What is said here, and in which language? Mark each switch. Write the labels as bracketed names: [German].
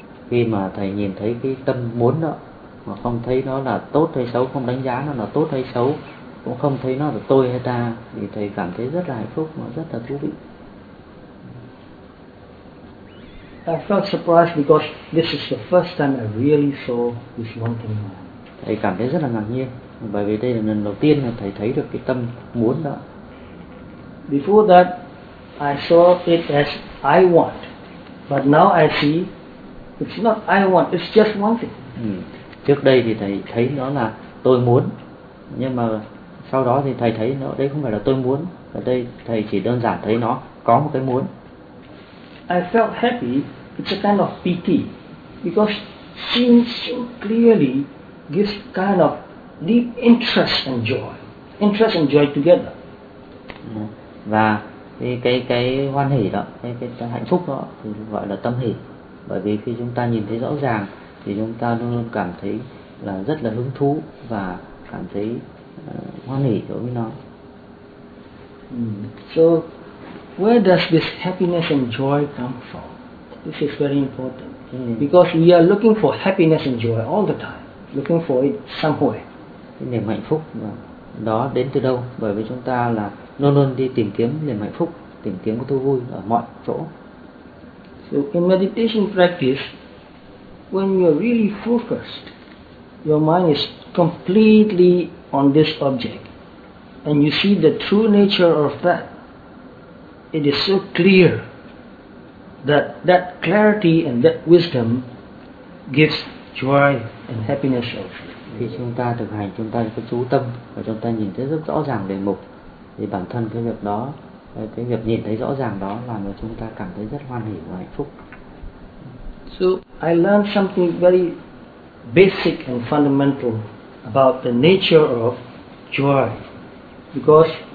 [Vietnamese] Khi mà thầy nhìn thấy cái tâm muốn đó mà không thấy nó là tốt hay xấu, không đánh giá nó là tốt hay xấu, cũng không thấy nó là tôi hay ta, thì thầy cảm thấy rất là hạnh phúc và rất là thú vị. [English] I felt surprised because this is the first time I really saw this wanting mind. [Vietnamese] Thầy cảm thấy rất là ngạc nhiên bởi vì đây là lần đầu tiên mà thầy thấy được cái tâm muốn đó. [English] Before that I saw it as I want, but now I see it's not I want, it's just wanting. [Vietnamese] Trước đây thì thầy thấy nó là tôi muốn, nhưng mà sau đó thì thầy thấy nó đây không phải là tôi muốn, ở đây thầy chỉ đơn giản thấy nó có một cái muốn. [English] I felt happy, it's a kind of pity, because seeing so clearly gives kind of deep interest and joy together. [Vietnamese] Và cái hoan hỷ đó, cái hạnh phúc đó thì gọi là tâm hỷ. Bởi vì khi chúng ta nhìn thấy rõ ràng thì chúng ta luôn luôn cảm thấy là rất là hứng thú và cảm thấy hoan hỷ đối với nó. [English] So where does this happiness and joy come from? This is very important. Because we are looking for happiness and joy all the time, looking for it somewhere. [Vietnamese] Cái niềm hạnh phúc đó đến từ đâu? Bởi vì chúng ta là luôn luôn đi tìm kiếm niềm hạnh phúc, tìm kiếm cái thú vui ở mọi chỗ. [English] So in meditation practice, when you're really focused, your mind is completely on this object, and you see the true nature of that, it is so clear that that clarity and that wisdom gives joy and happiness also. [Vietnamese] Khi chúng ta thực hành, chúng ta có chú tâm và chúng ta nhìn thấy rất rõ ràng đề mục, thì bản thân cái việc đó, cái việc nhìn thấy rõ ràng đó làm cho chúng ta cảm thấy rất hoan hỷ và hạnh phúc. [English] So I learned something very basic and fundamental about the nature of joy, because